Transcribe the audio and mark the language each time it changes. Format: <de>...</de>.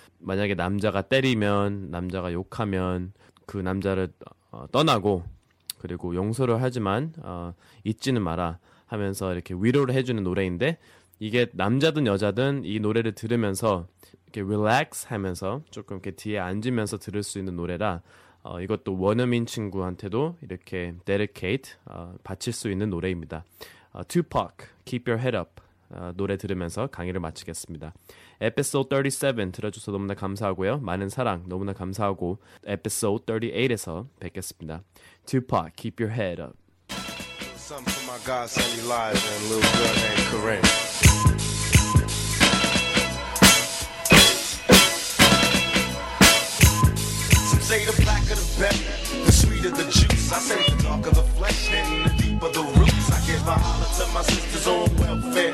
<ko>만약에 남자가 때리면 남자가 욕하면 그 남자를 떠나고 그리고 용서를 하지만 잊지는 마라 하면서 이렇게 위로를 해주는 노래인데 이게 남자든 여자든 이 노래를 들으면서 이렇게 relax 하면서 조금 이렇게 뒤에 앉으면서 들을 수 있는 노래라 이것도 원어민 친구한테도 이렇게 dedicate 바칠 수 있는 노래입니다. Tupac, Keep Your Head Up 노래 들으면서 강의를 마치겠습니다. Episode 37 들어주셔서 너무나 감사하고요. 많은 사랑 너무나 감사하고 Episode 38에서 뵙겠습니다.</ko> <en>Tupac, Keep Your Head Up. Something for my godson Elijah and little girl named Kareem. Some say the blacker the better, the sweeter the juice. I say the darker the flesh and the deeper the roots. I give a holler to my sister's own welfare.</en>